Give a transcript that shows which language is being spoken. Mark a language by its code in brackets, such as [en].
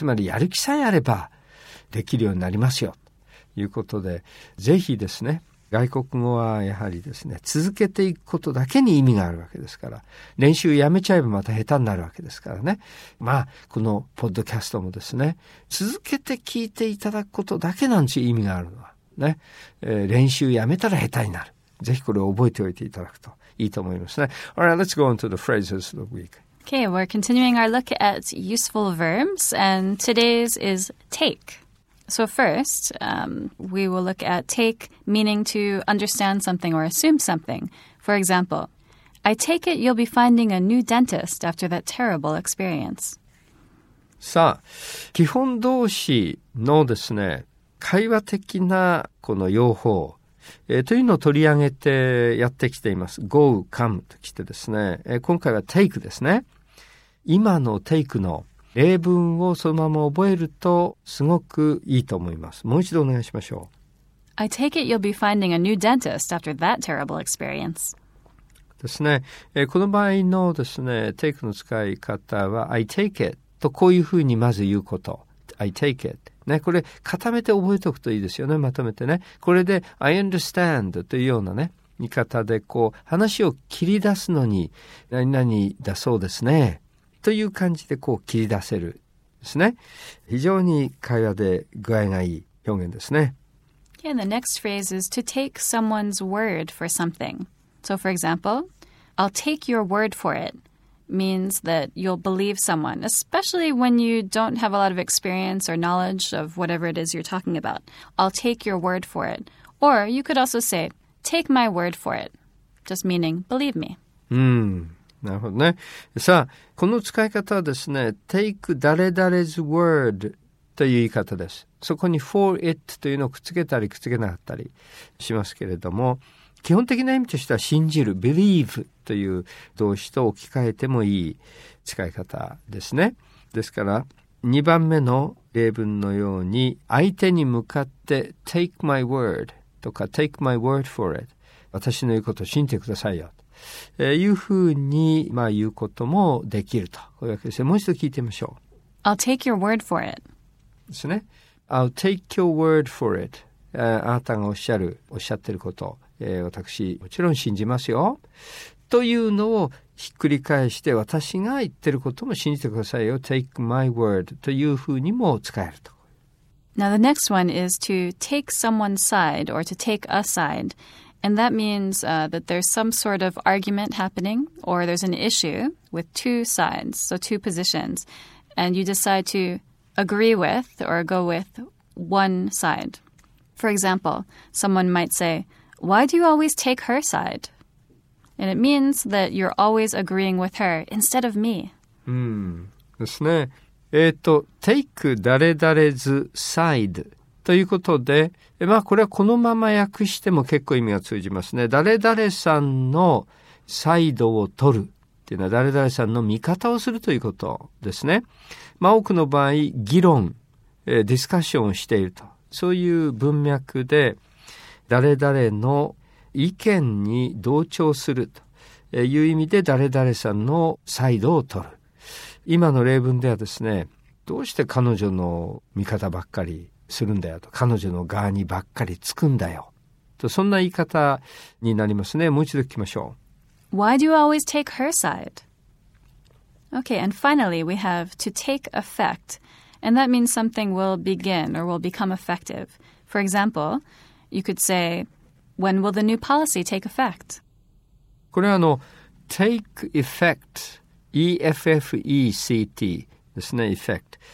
[ja] つまりやる気さえあればできるようになりますよということで、ぜひですね、外国語はやはりですね、続けていくことだけに意味があるわけですから、練習やめちゃえばまた下手になるわけですからね。まあこのポッドキャストもですね、続けて聞いていただくことだけなんち意味があるのはね、練習やめたら下手になる。ぜひこれを覚えておいていただくといいと思いますね。 [en] Alright, let's go on to the phrases of the week. Okay, we're continuing our look at useful verbs, and today's is take. So first, we will look at take, meaning to understand something or assume something. For example, I take it you'll be finding a new dentist after that terrible experience. [ja] さあ、基本動詞のですね、会話的なこの用法、というのを取り上げてやってきています。 Go, come ときてですね、今回は take ですね。今の take の例文をそのまま覚えるとすごくいいと思います。もう一度お願いしましょう。 [en] I take it you'll be finding a new dentist after that terrible experience. [ja] ですね。この場合のですね、take の使い方は、 [en] I take it [ja] とこういうふうにまず言うこと。 [en] I take it。 [ja] ね、これ固めて覚えておくといいですよね。まとめてね。これで、 [en] I understand [ja] というようなね、言い方でこう、話を切り出すのに、何々だそうですね。という感じでこう切り出せるですね。非常に会話で具合がいい表現ですね。 [en] Yeah, the next phrase is to take someone's word for something. So for example, I'll take your word for it means that you'll believe someone, especially when you don't have a lot of experience or knowledge of whatever it is you're talking about. I'll take your word for it. Or you could also say, take my word for it, just meaning believe me. [ja] なるほどね。さあ、この使い方はですね、take 誰々's word という言い方です。そこに for it というのをくっつけたりくっつけなかったりしますけれども、基本的な意味としては信じる、believe という動詞と置き換えてもいい使い方ですね。ですから、2番目の例文のように、相手に向かって [en] take my word [ja] とか [en] take my word for it。 [ja] 私の言うことを信じてくださいよ。いうふうに、まあ、言うこともできるとこういうわけですね。もう一度聞いてみましょう。 [en] I'll take your word for it. [ja] ですね。 [en] I'll take your word for it. [ja] あなたがおっしゃってること、私、もちろん信じますよ。というのをひっくり返して、私が言ってることも信じてくださいよ。 [en] Take my word [ja] というふうにも使えると。 [en] Now, the next one is to take someone's side or to take a side. And that means that there's some sort of argument happening or there's an issue with two sides, so two positions. And you decide to agree with or go with one side. For example, someone might say, "Why do you always take her side?" And it means that you're always agreeing with her instead of me. [ja] ですね。 take 誰々 's side ということで、まあこれはこのまま訳しても結構意味が通じますね。誰々さんのサイドを取るっていうのは誰々さんの味方をするということですね。まあ多くの場合、議論、ディスカッションをしていると。そういう文脈で、誰々の意見に同調するという意味で、誰々さんのサイドを取る。今の例文ではですね、どうして彼女の味方ばっかりするんだよと、彼女の側にばっかりつくんだよと、そんな言い方になりますね。もう一度聞きましょう。 [en] Why do you always take her side? Okay, and finally we have to take effect. And that means something will begin or will become effective. For example, you could say, when will the new policy take effect? [ja] これはtake effect, EFFECT ですね、effect.